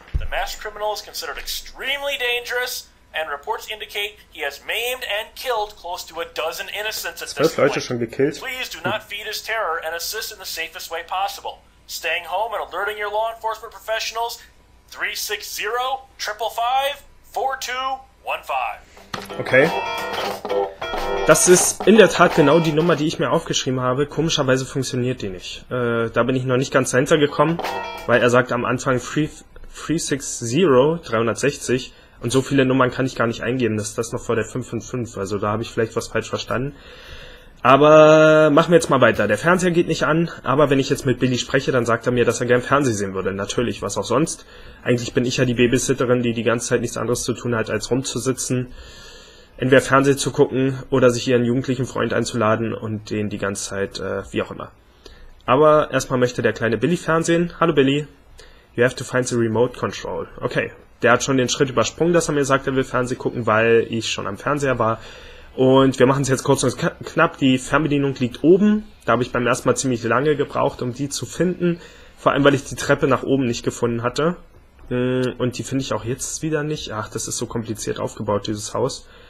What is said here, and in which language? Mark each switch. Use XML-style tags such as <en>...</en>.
<en>The masked criminal is considered extremely dangerous, and reports indicate he has maimed and killed close to a dozen innocents at this point.</en> <de>Schon gekillt.</de> <en>Please do not feed his terror and assist in the safest way possible. Staying home and alerting your law enforcement professionals, 360-555-4215. Okay.</en> <de>Das ist in der Tat genau die Nummer, die ich mir aufgeschrieben habe. Komischerweise funktioniert die nicht. Da bin ich noch nicht ganz dahinter gekommen, weil er sagt am Anfang 360-360 und so viele Nummern kann ich gar nicht eingeben. Das ist das noch vor der 555, also da habe ich vielleicht was falsch verstanden. Aber machen wir jetzt mal weiter. Der Fernseher geht nicht an, aber wenn ich jetzt mit Billy spreche, dann sagt er mir, dass er gern Fernsehen sehen würde. Natürlich, was auch sonst. Eigentlich bin ich ja die Babysitterin, die die ganze Zeit nichts anderes zu tun hat, als rumzusitzen, entweder Fernsehen zu gucken oder sich ihren jugendlichen Freund einzuladen und den die ganze Zeit, wie auch immer. Aber erstmal möchte der kleine Billy Fernsehen.</de> <en>Hallo Billy, you have to find the remote control.</en> <de>Okay, der hat schon den Schritt übersprungen, dass er mir sagt, er will Fernsehen gucken, weil ich schon am Fernseher war. Und wir machen es jetzt kurz und knapp. Die Fernbedienung liegt oben. Da habe ich beim ersten Mal ziemlich lange gebraucht, um die zu finden. Vor allem, weil ich die Treppe nach oben nicht gefunden hatte. Und die finde ich auch jetzt wieder nicht. Ach, das ist so kompliziert aufgebaut, dieses Haus.</de>